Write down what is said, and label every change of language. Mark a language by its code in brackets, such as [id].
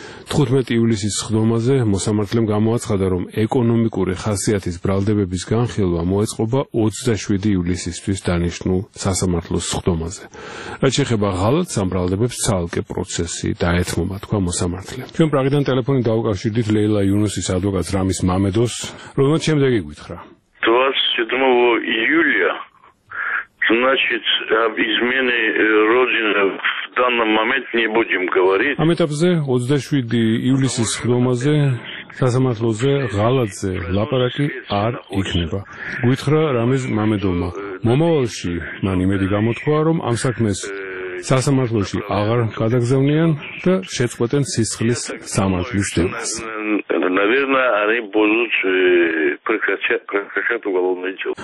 [ka] 15 ივლისის სხდომაზე მოსამართლემ გამოაცხადა, რომ ეკონომიკური ხასიათის ბრალდებების განხილვა მოეწყობა 27 ივლისისთვის დანიშნულ სასამართლოს სხდომაზე. რაც შეეხება ღალატს, ამ ბრალდებებს ცალკე პროცესი დაეთმობა, თქვა მოსამართლემ. ჩვენ პრაღიდან ტელეფონით დავუკავშირდით ლეილა იუნუსის ადვოკატს რამის მამედოს, რომელმაც შემდეგი გითხრა. 27 ივლისია. [ru] Значит, об измене Родины в данном момент не будем говорить. [ka] Амитабзе, 27 ივლისის ხდომაზე სასამართლოზე ღალატზე ლაპარაკი არ იქნება. გვითხრა რამის მამედოლმა. მომავალში მან იმედი გამოთქვა, რომ ამ საქმეს სასამართლოში აღარ გადაგზავნიან და შეწყვეტენ სისხლის სამართლის დევნას.